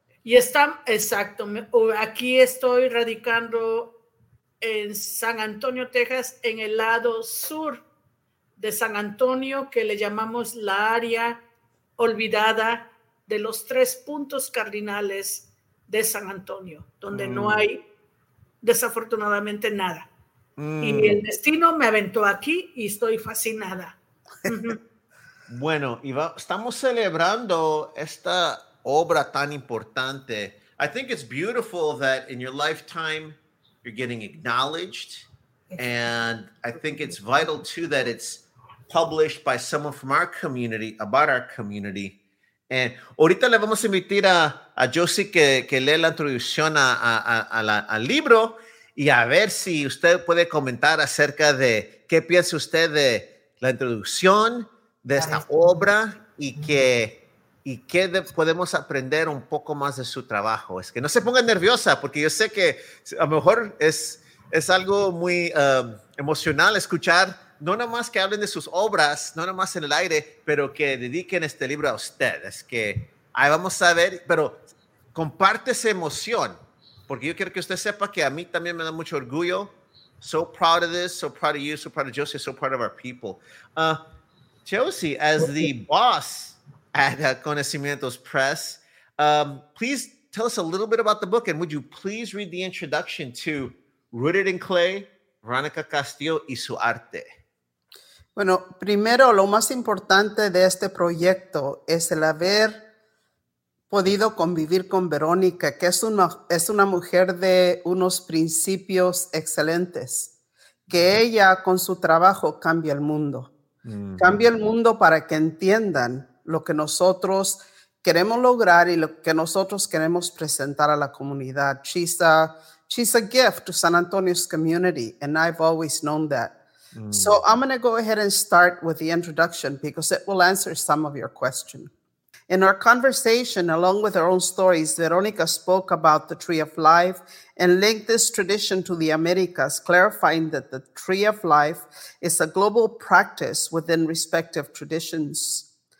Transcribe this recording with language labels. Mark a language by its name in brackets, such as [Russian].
[Spanish] Y está, exacto, aquí estoy radicando en San Antonio, Texas, en el lado sur de San Antonio, que le llamamos la área olvidada de los tres puntos cardinales de San Antonio, donde no hay desafortunadamente nada. Y el destino me aventó aquí y estoy fascinada. Bueno, Iván, estamos celebrando esta obra tan importante. [English] I think it's beautiful that in your lifetime you're getting acknowledged. And I think it's vital, too, that it's published by someone from our community, about our community. [Spanish] And ahorita le vamos a invitar a Josie que lea la introducción al libro. Y a ver si usted puede comentar acerca de qué piensa usted de la introducción de esta obra y qué podemos aprender un poco más de su trabajo. Es que no se ponga nerviosa, porque yo sé que a lo mejor es algo muy emocional escuchar, no nomás que hablen de sus obras, no nomás en el aire, pero que dediquen este libro a usted. Es que ahí vamos a ver, pero comparte esa emoción. Porque yo quiero que usted sepa que a mí también me da mucho orgullo. [English] So proud of this, so proud of you, so proud of Josie, so proud of our people. Josie, as the boss at Conocimientos Press, please tell us a little bit about the book. And would you please read the introduction to Rooted in Clay, Veronica Castillo y su Arte? [Spanish] Bueno, primero, lo más importante de este proyecto es el haber podido convivir con Veronica, que es una mujer de unos principios excelentes, que ella con su trabajo cambia el mundo. Mm-hmm. Cambia el mundo para que entiendan lo que nosotros queremos lograr y lo que nosotros queremos presentar a la comunidad. [English] She's a gift to San Antonio's community, and I've always known that. Mm-hmm. So I'm going to go ahead and start with the introduction because it will answer some of your question. In our conversation, along with her own stories, Veronica spoke about the Tree of Life and linked this tradition to the Americas, clarifying that the Tree of Life is a global practice within respective traditions.